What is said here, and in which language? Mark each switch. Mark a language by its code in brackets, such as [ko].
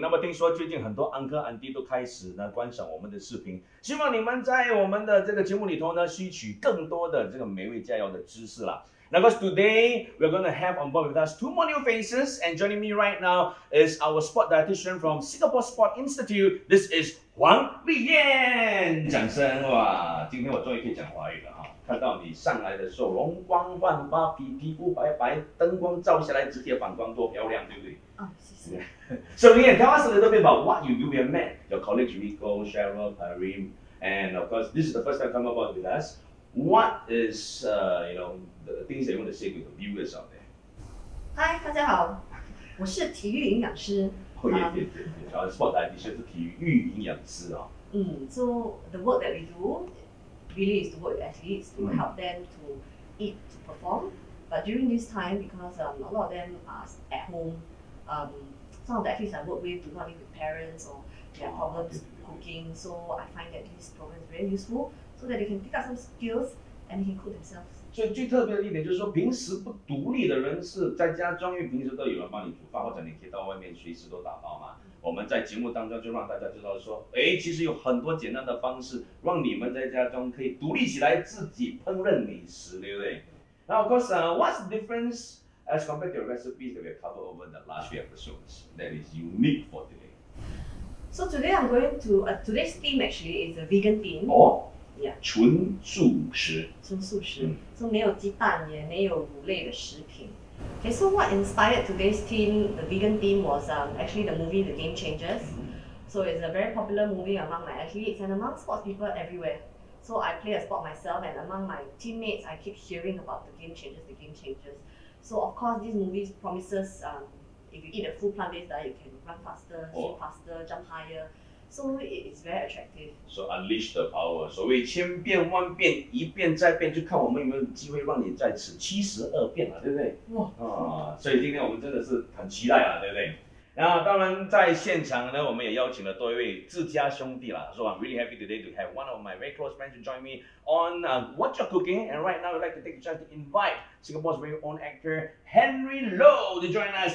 [zh] 那么听说最近很多 Uncle Andy 都开始呢观赏我们的视频，希望你们在我们的这个节目里头呢吸取更多的这个美味佳肴的知识啦。 [en] Now, because today we're going to have on board with us two more new faces, and joining me right now is our sport dietitian from Singapore Sport Institute. This is Huang Liyan. [zh] 掌声哇！今天我终于可以讲华语了哈。看到你上来的时候，容光焕发，皮肤白白，灯光照下来，直接反光，多漂亮，对不对？哦，谢谢。 [en] So Liyan, tell us a little bit about what you have met your colleagues Rico, Cheryl, Karim, and of course, this is the first time come aboard with us. What is, the things that you want to say with the viewers out there? [zh] Hi, 大家好，我是体育营养师。哦，对对对，然后 sport dietitian 是体育营养师哦。 [en] So the work that we do really is to work with athletes to help them to eat, to perform. But during this time, because a lot of them are at home, some of the athletes I work with do not live with parents or they have problems cooking. So I find that this program is very useful. So that they can pick up some skills and they can cook themselves. [zh] 所以最特别的一点就是说，平时不独立的人是在家中，因为平时都有人帮你煮饭，或者你可以到外面随时都打包嘛。我们在节目当中就让大家知道说，哎，其实有很多简单的方式让你们在家中可以独立起来自己烹饪美食，对不对？ [en] 那of course, what's the difference as compared to your recipes that we have covered over the last few episodes that is unique for today? So today I'm going to today's theme actually is a vegan theme. [zh] Oh. 纯素食，纯素食，就没有鸡蛋，也没有乳类的食品。 [en] Okay, so what inspired today's theme, the vegan theme, was actually the movie The Game Changers. So it's a very popular movie among my athletes and among sports people everywhere. So I play a sport myself, and among my teammates, I keep hearing about The Game Changers. So of course, this movie promises if you eat a full plant-based diet, you can run faster, swim faster, jump higher. So it is very attractive. So unleash the power. [zh] 所谓千变万变，一变再变，就看我们有没有机会让你再吃72遍了，对不对？哇！所以今天我们真的是很期待啊，对不对？然后当然在现场呢，我们也邀请了多一位自家兄弟啦。 [en] So I'm really happy today to have one of my very close friends to join me on Wot'cha Cooking. And right now, I'd like to take the chance to invite Singapore's very own actor Hanrey to join us.